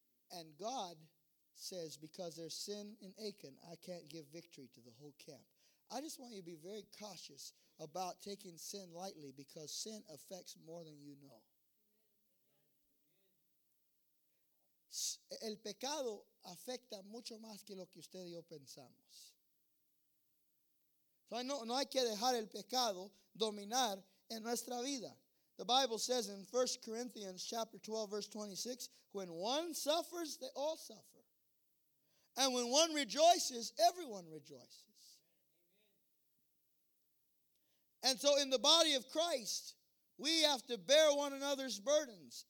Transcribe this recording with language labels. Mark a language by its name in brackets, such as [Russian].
[English] And God says, because there's sin in Achan, I can't give victory to the whole camp. I just want you to be very cautious about taking sin lightly, because sin affects more than you know. [Spanish] El pecado afecta mucho más que lo que usted y yo pensamos. So no hay que dejar el pecado dominar en nuestra vida. [English] The Bible says in 1 Corinthians chapter 12, verse 26, when one suffers, they all suffer. And when one rejoices, everyone rejoices. And so in the body of Christ, we have to bear one another's burdens.